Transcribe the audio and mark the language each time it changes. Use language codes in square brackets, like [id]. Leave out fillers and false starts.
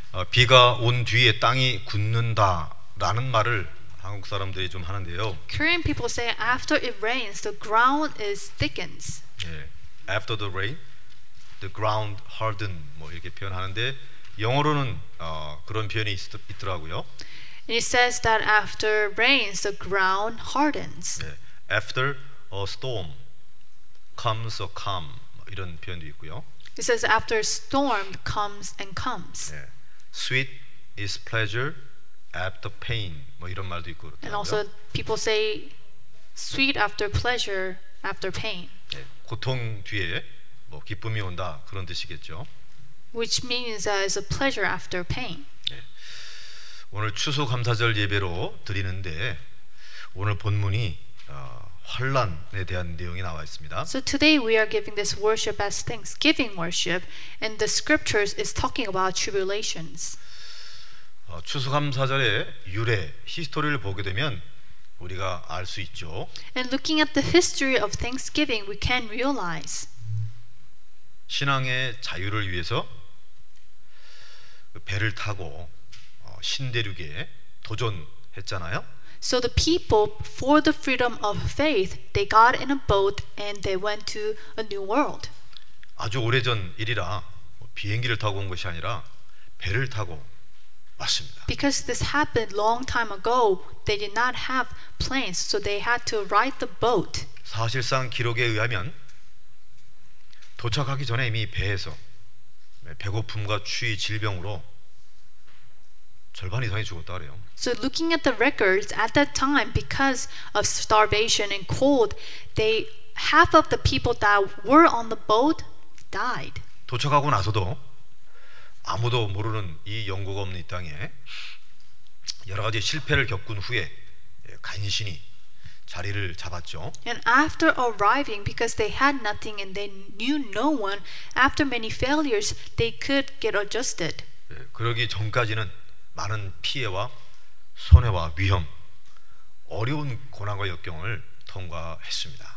[ko] 비가 온 뒤에 땅이 굳는다라는 말을 한국 사람들이 좀 하는데요. [en] Korean people say after it rains, the ground is thickens. [ko] 예, [en] after the rain, the ground harden [ko] 뭐 이렇게 표현하는데 영어로는 그런 표현이 있더라고요. [en] It says that after rains, the ground hardens. 예, after a storm comes a calm [ko] 이런 표현도 있고요. [en] It says after a storm comes and comes. 예, sweet is pleasure after pain. [ko] 뭐 이런 말도 있고 그렇다. [en] And also people say sweet after pleasure after pain. [ko] 예, 고통 뒤에 뭐 기쁨이 온다 그런 뜻이겠죠. [en] Which means that it's a pleasure after pain. [ko] 예, 오늘 추수감사절 예배로 드리는데 오늘 본문이 환난에 대한 내용이 나와 있습니다. [en] So today we are giving this worship as Thanksgiving worship, and the scriptures is talking about tribulations. [ko] 추수감사절의 유래, 히스토리를 보게 되면 우리가 알 수 있죠. [en] And looking at the history of Thanksgiving, we can realize [ko] 신앙의 자유를 위해서 배를 타고 신대륙에 도전했잖아요. [en] So the people, for the freedom of faith, they got in a boat and they went to a new world. [ko] 아주 오래전 일이라 비행기를 타고 온 것이 아니라 배를 타고 왔습니다. [en] Because this happened long time ago, they did not have planes, so they had to ride the boat. [ko] 사실상 기록에 의하면 도착하기 전에 이미 배에서 배고픔과 추위, 질병으로 절반 이상이 죽었다 그래요. [en] So looking at the records at that time, because of starvation and cold, they half of the people that were on the boat died. [ko] 도착하고 나서도 아무도 모르는 이 영국 없는 이 땅에 여러 가지 실패를 겪은 후에 간신히 자리를 잡았죠. [en] And after arriving, because they had nothing and they knew no one, after many failures, they could get adjusted. [ko] 그러기 전까지는 많은 피해와 손해와 위험, 어려운 고난과 역경을 통과했습니다.